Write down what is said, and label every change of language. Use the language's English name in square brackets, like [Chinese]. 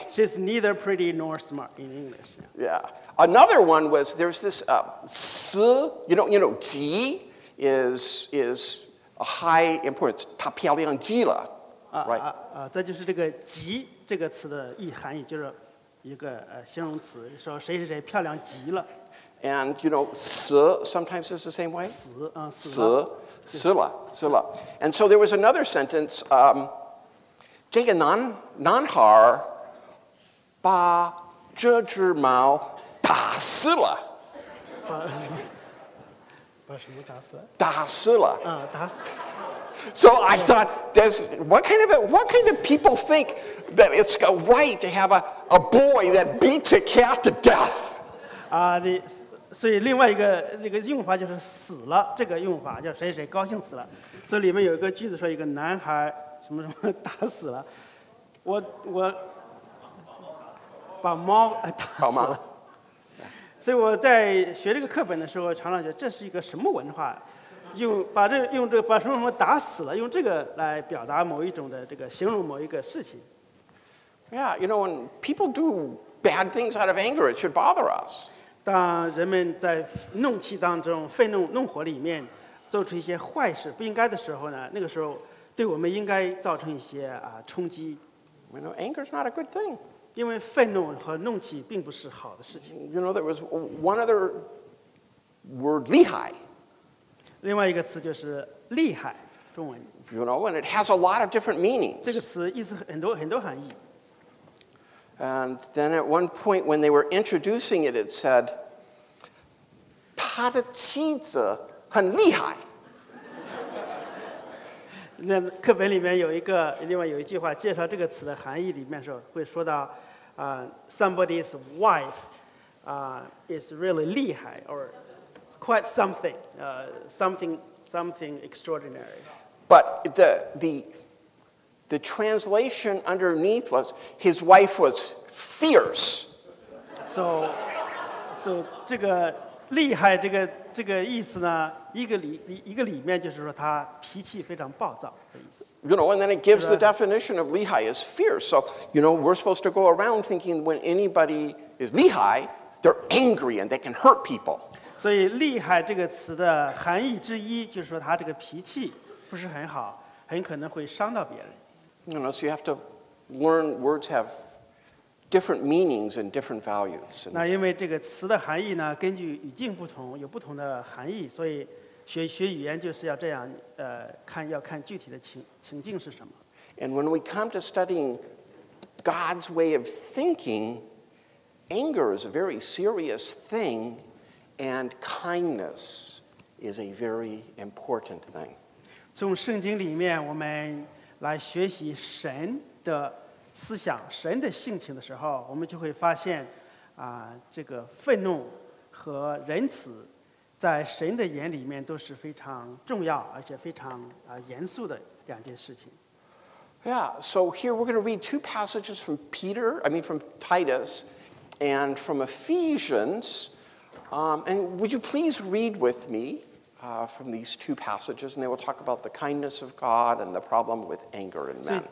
[English] She's neither pretty nor smart in English. Yeah. Yeah. Another one was there's this si, you know, ji is a high importance. [Chinese] 她漂亮极了 [English] right? [Chinese] 这就是这个极这个词的意涵，也就是一个形容词，说谁谁谁漂亮极了。 [English] And you know, si sometimes is the same way. [Chinese] 死啊，死了，死了，死了。 [English] And so there was another sentence. [Chinese] 这个男孩把这只猫。打死了，把什么打死了？打死了。啊，打死。 [English] So I thought, what kind of people think that it's a right to have a boy that beats a cat to death? [Chinese] 啊，你所以另外一个那个用法就是死了，这个用法叫谁谁高兴死了。所以里面有一个句子说一个男孩什么什么打死了，我把猫打死了。所以我在学这个课本的时候，常常觉得这是一个什么文化，用这个把什么什么打死了，用这个来表达某一种的这个形容某一个事情。 [English] Yeah, you know, when people do bad things out of anger, it should bother us. [Chinese] 当人们在怒气当中、愤怒、怒火里面做出一些坏事、不应该的时候呢，那个时候对我们应该造成一些冲击。 [English] You know, anger is not a good thing. [Chinese] 因为愤怒和怒气并不是好的事情。 [English] You know, there was one other word, Lehi. [Chinese] 另外一个词就是厉害，中文。 [English] You know, and it has a lot of different meanings. [Chinese] 这个词意思很多很多含义。 [English] And then at one point when they were introducing it, it said, [Chinese] 他的妻子很厉害。那课本里面有一个，另外有一句话介绍这个词的含义里面说，会说到 [English] somebody's wife is really [Chinese] 厉害 [English] or quite something, something extraordinary. But the translation underneath was, his wife was fierce. [Chinese] So, 这个厉害这个意思呢，一个里面就是说他脾气非常暴躁的意思。 [English] You know, and then it gives the definition of Lehi is fierce. So, you know, we're supposed to go around thinking when anybody is Lehi, they're angry and they can hurt people. [Chinese] 所以厉害这个词的含义之一就是说他这个脾气不是很好，很可能会伤到别人。 [English] You know, so you have to learn words have different meanings and different values. [Chinese] 那因为这个词的含义呢，根据语境不同，有不同的含义，所以学语言就是要这样，要看具体的情境是什么。 [English] And when we come to studying God's way of thinking, anger is a very serious thing, and kindness is a very important thing. [Chinese] 从圣经里面我们来学习神的思想、神的性情的时候，我们就会发现，这个愤怒和仁慈，在神的眼里面都是非常重要，而且非常严肃的两件事情。 [English] Yeah, so here we're going to read two passages from Peter, I mean from Titus, and from Ephesians. And would you please read with me? From these two passages, and they will talk about the kindness of God and the problem with anger in men.